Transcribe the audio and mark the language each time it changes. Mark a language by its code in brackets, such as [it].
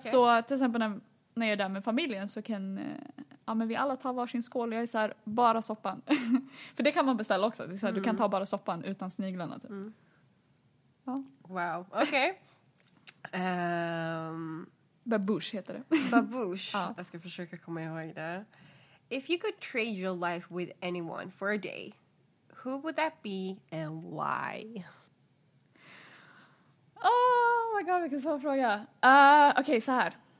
[sv] Så till exempel när jag är där med familjen så kan, ja men vi alla tar varsin skål och jag är såhär, bara soppan. För det kan man beställa också, det är såhär, mm. Du kan ta bara soppan utan sniglarna, typ. Mm. Ja. Wow, okej. Okay. Babouche heter det. Babouche, ja. Jag ska försöka komma ihåg det. [en] If you could trade your life with anyone for a day, who would that be and why? Oh my god, [sv] vilken svår fråga. Okej, så här.